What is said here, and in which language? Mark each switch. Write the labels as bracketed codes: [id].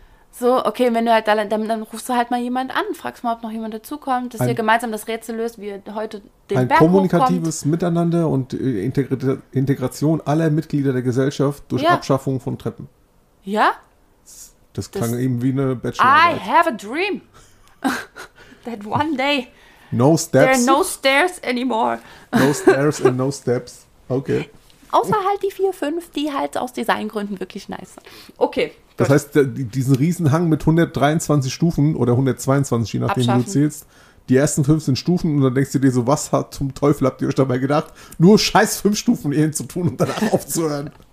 [de] So, okay, wenn du halt dann rufst du halt mal jemand an, fragst mal, ob noch jemand dazukommt, dass ein, ihr gemeinsam das Rätsel löst, wie ihr heute den Berg hochkommt. Ein kommunikatives Miteinander und Integration aller Mitglieder der Gesellschaft durch ja. Abschaffung von Treppen. Ja? Das klang das, eben wie eine Bachelorarbeit. [en] I have a dream that one day no steps. There are no stairs anymore. No stairs and no steps. Okay. [de] Außer halt die 4-5, die halt aus Designgründen wirklich nice sind. Okay. Das gut. heißt, diesen Riesenhang mit 123 Stufen oder 122, je nachdem, wie du zählst, die ersten 15 Stufen und dann denkst du dir so, was zum Teufel habt ihr euch dabei gedacht? Nur scheiß 5 Stufen eh zu tun und danach aufzuhören.